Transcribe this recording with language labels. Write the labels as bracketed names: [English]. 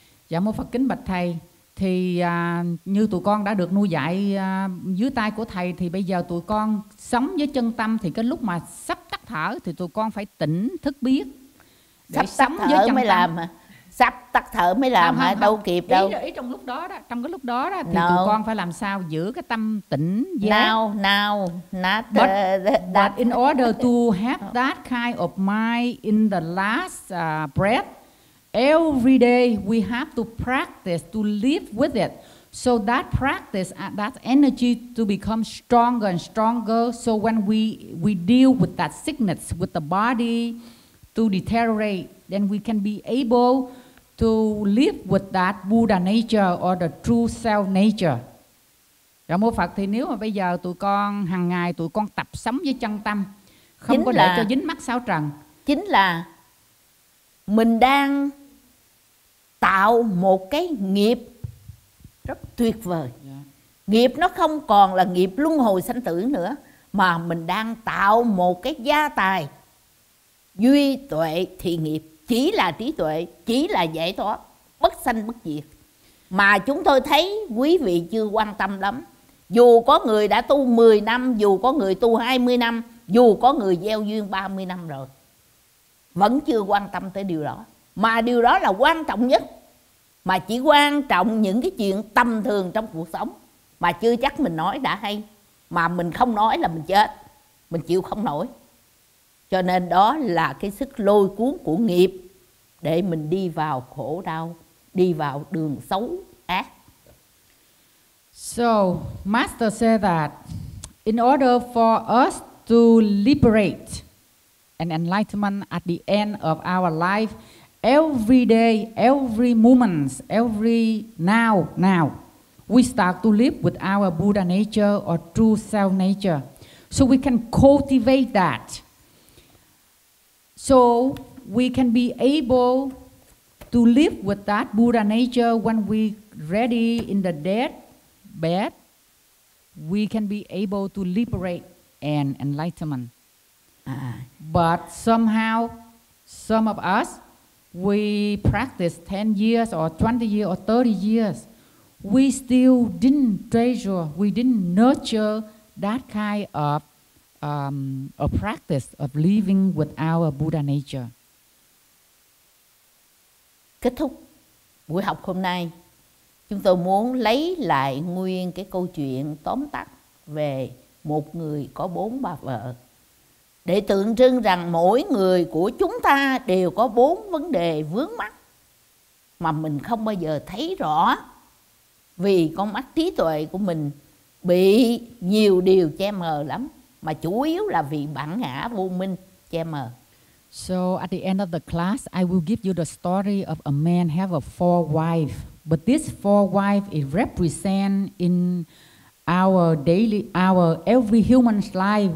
[Vietnamese] Dạ mô Phật, kính bạch thầy, thì như tụi con đã được nuôi dạy dưới tay của thầy, thì bây giờ tụi con sống với chân tâm, thì cái lúc mà sắp tắt thở thì tụi con phải tỉnh thức biết để sắp sống với chân mới tâm. Làm sắp tắt thở mới làm hả? Đâu kịp đâu. Ý trong lúc đó đó, trong cái lúc đó đó thì tụi con phải làm sao giữ cái tâm tỉnh giác. [English] But in order to have that kind of mind in the last breath, every day we have to practice to live with it. So that practice, that energy to become stronger and stronger. So when we deal with that sickness, with the body to deteriorate, then we can be able to live with that Buddha nature or the true self nature. [Vietnamese] Dạ mô Phật, thì nếu mà bây giờ tụi con hàng ngày tụi con tập sống với chân tâm, không chính có để cho dính mắc sáu trần, chính là mình đang tạo một cái nghiệp rất tuyệt vời. Nghiệp nó không còn là nghiệp luân hồi sanh tử nữa, mà mình đang tạo một cái gia tài duy tuệ thị nghiệp, chỉ là trí tuệ, chỉ là giải thoát, bất sanh bất diệt. Mà chúng tôi thấy quý vị chưa quan tâm lắm. Dù có người đã tu 10 năm, dù có người tu 20 năm, dù có người gieo duyên 30 năm rồi, vẫn chưa quan tâm tới điều đó. Mà điều đó là quan trọng nhất. Mà chỉ quan trọng những cái chuyện tầm thường trong cuộc sống, mà chưa chắc mình nói đã hay, mà mình không nói là mình chết, mình chịu không nổi. Cho nên đó là cái sức lôi cuốn của nghiệp để mình đi vào khổ đau, đi vào đường xấu ác. [English] So Master said that in order for us to liberate an enlightenment at the end of our life, every day, every moment, every now, we start to live with our Buddha nature or true self nature. So we can cultivate that. So we can be able to live with that Buddha nature when we ready in the dead bed. We can be able to liberate and enlightenment. But somehow, some of us, we practice 10 years or 20 years or 30 years, we still didn't treasure, we didn't nurture that kind of a practice of living with our Buddha nature. [Vietnamese] Kết thúc buổi học hôm nay, chúng tôi muốn lấy lại nguyên cái câu chuyện tóm tắt về một người có bốn bà vợ, để tượng trưng rằng mỗi người của chúng ta đều có bốn vấn đề vướng mắc mà mình không bao giờ thấy rõ, vì con mắt trí tuệ của mình bị nhiều điều che mờ lắm, mà chủ yếu là vì bản ngã vô minh che mờ. [English] So at the end of the class, I will give you the story of a man have a four wife, but this four wife is represent in our every human's life.